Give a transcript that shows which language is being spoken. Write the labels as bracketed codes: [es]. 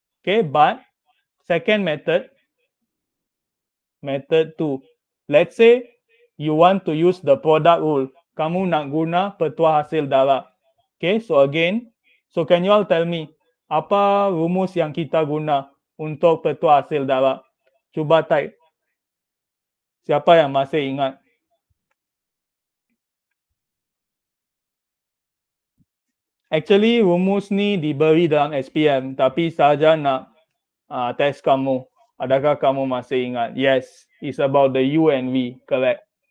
[en] Okay, but second method, method 2. Let's say you want to use the product rule. [ms] kamu nak guna petua hasil darab. [en] Okay, so again, so can you all tell me [ms] apa rumus yang kita guna untuk petua hasil darab? Cuba type. Siapa yang masih ingat? Actually, rumus ni diberi dalam SPM, tapi sahaja nak test kamu. Adakah kamu masih ingat? [en] Yes, it's about the U and V, correct?